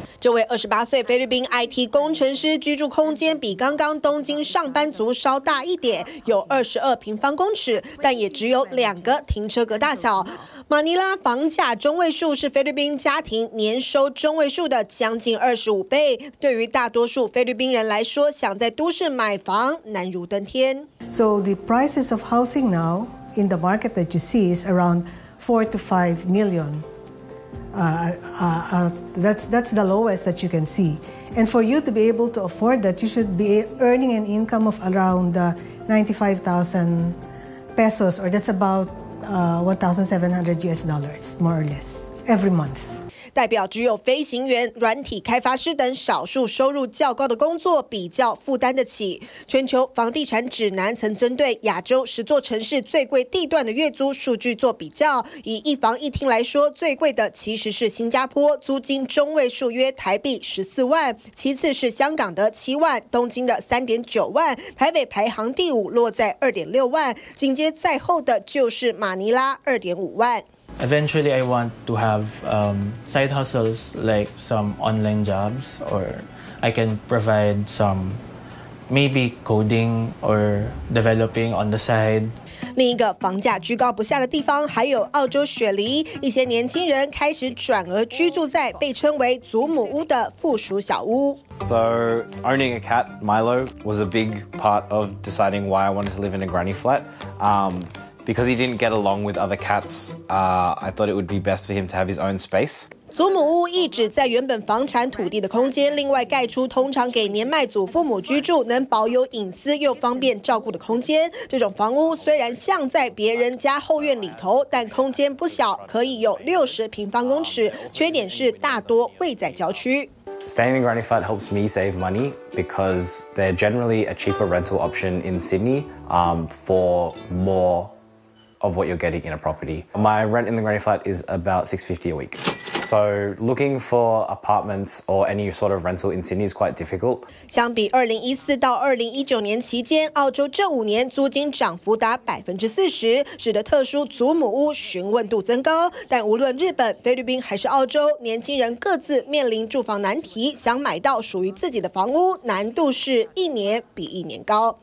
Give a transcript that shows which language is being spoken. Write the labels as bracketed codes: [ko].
[zh] 这位28岁菲律宾 IT 工程师居住空间比刚刚东京上班族稍大一点，有22平方公尺，但也只有2个停车格大小。马尼拉房价中位数是菲律宾家庭年收中位数的将近25倍，对于大多数菲律宾人来说，想在都市买房难如登天。 [en] So the prices of housing now in the market that you see is around 4 to 5 million. That's the lowest that you can see. And for you to be able to afford that, you should be earning an income of around 95,000 pesos, or that's about $1,700, more or less, every month. [zh] 代表只有飞行员、软体开发师等少数收入较高的工作比较负担得起。全球房地产指南曾针对亚洲10座城市最贵地段的月租数据做比较，以一房一厅来说，最贵的其实是新加坡，租金中位数约台币14万，其次是香港的7万，东京的3.9万，台北排行第五，落在2.6万，紧接在后的就是马尼拉2.5万。 [en] Eventually, I want to have side hustles like some online jobs, or I can provide some maybe coding or developing on the side. [zh] 另一个房价居高不下的地方还有澳洲雪梨，一些年轻人开始转而居住在被称为祖母屋的附属小屋。 [en] So owning a cat Milo was a big part of deciding why I wanted to live in a granny flat. Because he didn't get along with other cats, I thought it would be best for him to have his own space. [zh] 祖母屋一直在原本房产土地的空间，另外盖出通常给年迈祖父母居住，能保有隐私又方便照顾的空间。这种房屋虽然像在别人家后院里头，但空间不小，可以有60平方公尺，缺点是大多位在郊区。 [en] Staying in granny flat helps me save money because they're generally a cheaper rental option in Sydney, for more of what you're getting in a property. My rent in the granny flat is about $650 a week. So looking for apartments or any sort of rental in Sydney is quite difficult. [zh] 相比2014到2019年期间，澳洲这五年租金涨幅达40%，使得特殊祖母屋询问度增高。但无论日本、菲律宾还是澳洲，年轻人各自面临住房难题，想买到属于自己的房屋，难度是一年比一年高。